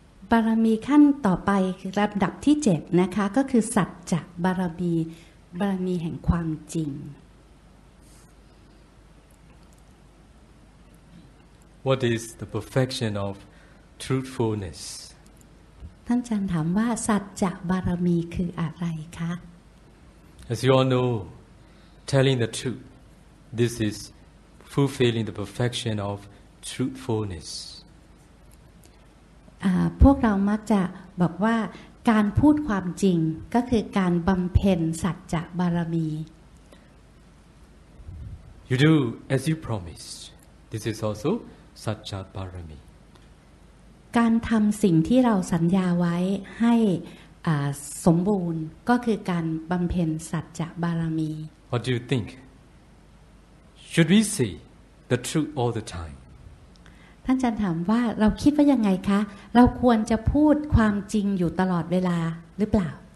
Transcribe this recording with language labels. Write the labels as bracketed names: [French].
[Thai] Parami ขั้นต่อไประดับที่7นะคะก็คือ Satcha Parami, Parami แห่งความจริง [English] What is the perfection of truthfulness? [Thai] ท่านอาจารย์ถามว่า Satcha Parami คืออะไรคะ [English] As you all know, telling the truth, this isfulfilling the perfection of truthfulness. [Thai] พวกเรามักจะบอกว่าการพูดความจริงก็คือการบำเพ็ญสัจจะบารมี [English] You do as you promised. This is also satcha parami. [Thai] การทำสิ่งที่เราสัญญาไว้ให้ สมบูรณ์ก็คือการบำเพ็ญสัจจะบารมี [English] What do you think? Should we see the truth all the time? [Thai] ท่านอาจารย์ถามว่าเราคิดว่ายังไงคะเราควรจะพูดความจริงอยู่ตลอดเวลาหรือเปล่า